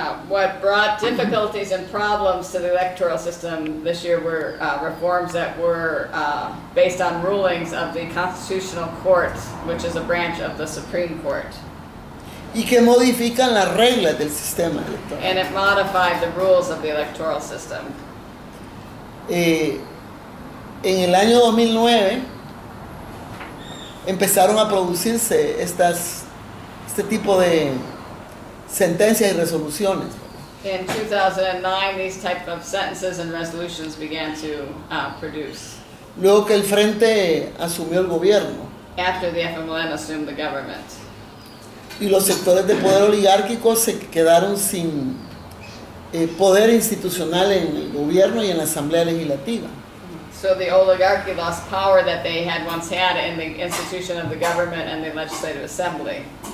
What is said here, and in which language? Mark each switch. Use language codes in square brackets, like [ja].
[en] What brought difficulties and problems to the electoral system this year were reforms that were based on rulings of the Constitutional Court, which is a branch of the Supreme Court. [es] Y que modifican las reglas del sistema electoral. [en] And it modified the rules of the electoral system. [es] En el año 2009 empezaron a producirse este tipo de sentencias y resoluciones. [en] In 2009, these type of sentences and resolutions began to produce. [es] Luego que el Frente asumió el gobierno. [en] After the FMLN assumed the government. [es] Y los sectores de poder oligárquico se quedaron sin poder institucional en el gobierno y en la Asamblea Legislativa. [en] So the oligarchy lost power that they had once had in the institution of the government and the Legislative Assembly.